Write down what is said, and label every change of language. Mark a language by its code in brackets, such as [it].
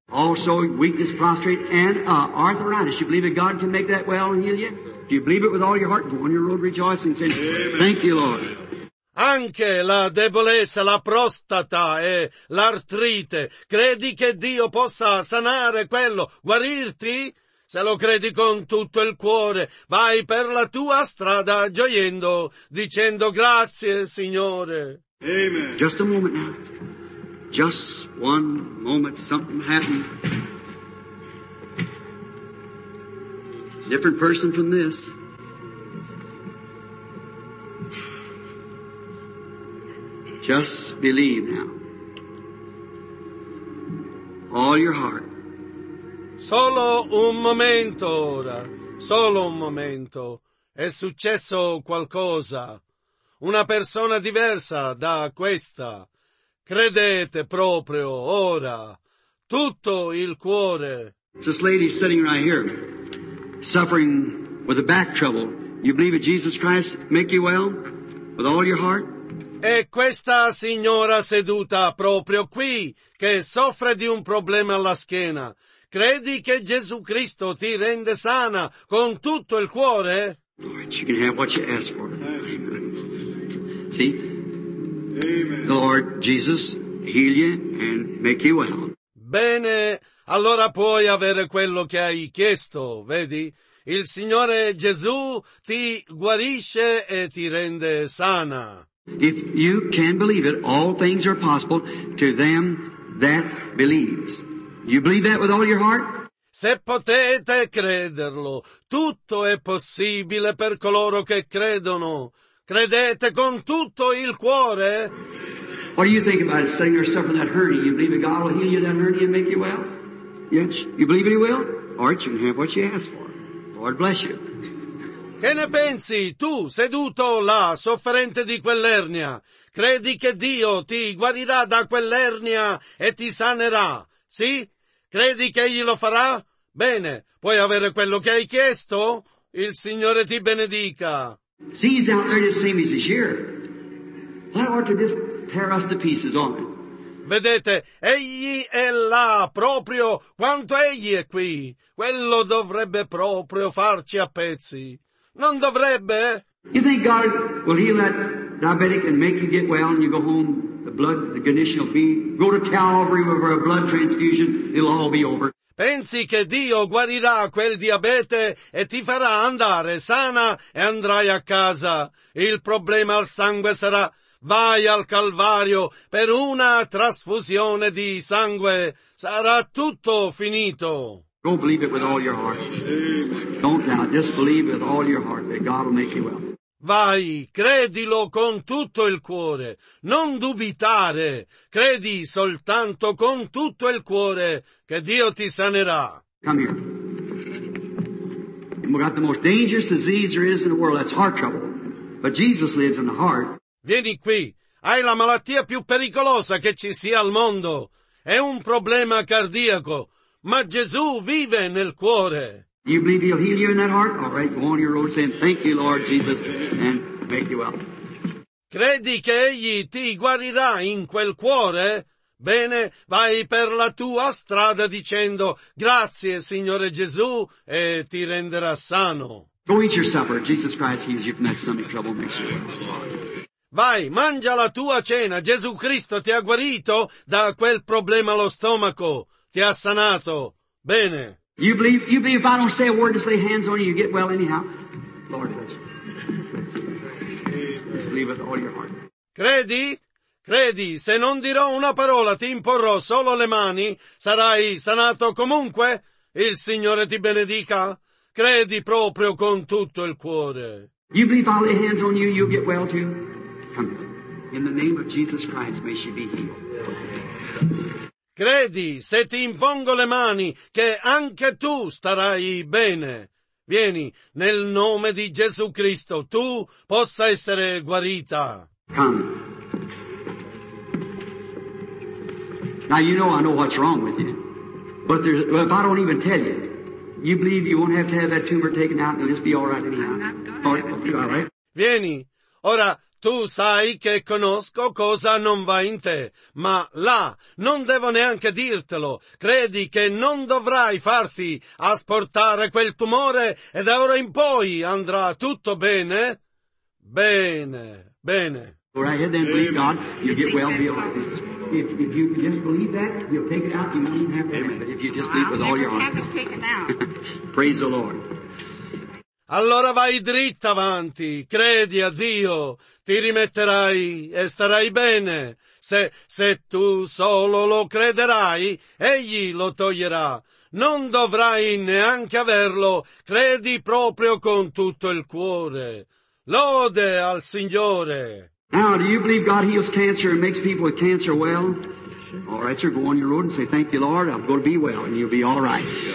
[en] Also weakness, prostrate, and arthritis. You believe that God can make that well and heal you? Do you believe it with all your heart? Go on your road rejoicing and say, thank you, Lord. [it] Anche la debolezza, la prostata e l'artrite. Credi che Dio possa sanare quello, guarirti? Se lo credi con tutto il cuore, vai per la tua strada gioiendo, dicendo grazie, Signore. Amen. [en] Just a moment now. Just one moment, something happened. Different person from this. Just believe now. All your heart. [it] Solo un momento ora. Solo un momento. È successo qualcosa. Una persona diversa da questa. Credete proprio ora. Tutto il cuore. [en] This lady sitting right here. Suffering with a back trouble. You believe in Jesus Christ make you well with all your heart? [it] È questa signora seduta proprio qui che soffre di un problema alla schiena. Credi che Gesù Cristo ti rende sana con tutto il cuore? [en] Lord, you can have what you ask for. See? Amen. Lord Jesus, heal you and make you well. [it] Bene. Allora puoi avere quello che hai chiesto, vedi? Il Signore Gesù ti guarisce e ti rende sana. [en] If you can believe it, all things are possible to them that believes. You believe that with all your heart? [it] Se potete crederlo, tutto è possibile per coloro che credono. Credete con tutto il cuore? [en] What do you think about sitting there suffering that hurting? You believe that God will heal you that hurting and make you well? Yes, you believe it, he will? Or you can have what you ask for. Lord bless you. [it] Che ne pensi tu, seduto là, sofferente di quell'ernia? Credi che Dio ti guarirà da quell'ernia e ti sanerà? Sì? Credi che Egli lo farà? Bene, puoi avere quello che hai chiesto? Il Signore ti benedica. [en] See, he's out there just same as he's here. Why don't you just tear us to pieces on it? [it] Vedete, egli è là, proprio quanto egli è qui. Quello dovrebbe proprio farci a pezzi. Non dovrebbe? [en] You think God will heal that diabetic and make you get well and you go home, the blood, the condition will be, go to Calvary for a blood transfusion, it'll all be over. [it] Pensi che Dio guarirà quel diabete e ti farà andare sana e andrai a casa. Il problema al sangue sarà, vai al Calvario per una trasfusione di sangue. Sarà tutto finito. [en] Go believe it with all your heart. Don't doubt, just believe with all your heart that God will make you well. [it] Vai, credilo con tutto il cuore, non dubitare, credi soltanto con tutto il cuore che Dio ti sanerà. [en] Come here. We've got the most dangerous disease there is in the world, that's heart trouble. But Jesus lives in the heart. [it] Vieni qui, hai la malattia più pericolosa che ci sia al mondo. È un problema cardiaco, ma Gesù vive nel cuore. [en] You believe he'll heal you in that heart? All right, go on your road saying, thank you, Lord Jesus, and make you well. [it] Credi che egli ti guarirà in quel cuore? Bene, vai per la tua strada dicendo, grazie, Signore Gesù, e ti renderà sano. [en] Go eat your supper. Jesus Christ heals you from that stomach trouble. Make sure. [it] Vai, mangia la tua cena. Gesù Cristo ti ha guarito da quel problema allo stomaco. Ti ha sanato. Bene. [en] You believe if I don't say a word, just lay hands on you, you get well anyhow. Lord, bless you. Just believe with all your heart. [it] Credi? Credi, se non dirò una parola, ti imporrò solo le mani, sarai sanato comunque? Il Signore ti benedica? Credi proprio con tutto il cuore. [en] You believe I'll lay hands on you, you'll get well too? Come in the name of Jesus Christ, may she be healed. [it] Credi, se ti impongo le mani, che anche tu starai bene. Vieni, nel nome di Gesù Cristo, tu possa essere guarita. [en] Come. Now you know I know what's wrong with you. But there's, if I don't even tell you, you believe you won't have to have that tumor taken out and it'll just be all right anyhow. All right? [it] Vieni, ora. Tu sai che conosco cosa non va in te, ma là non devo neanche dirtelo. Credi che non dovrai farti asportare quel tumore e da ora in poi andrà tutto bene? Bene, bene. [en] All right, then believe God, you'll get well. If you just believe that, you'll take it out. You won't even have to. But if you just believe with all your heart. I'll never have it taken out. Praise the Lord. [it] Allora vai dritto avanti, credi a Dio, ti rimetterai e starai bene. Se tu solo lo crederai, Egli lo toglierà. Non dovrai neanche averlo, credi proprio con tutto il cuore. Lode al Signore. [en] Now, do you believe God heals cancer and makes people with cancer well? All right, sir, go on your road and say, thank you, Lord, I'm going to be well, and you'll be all right.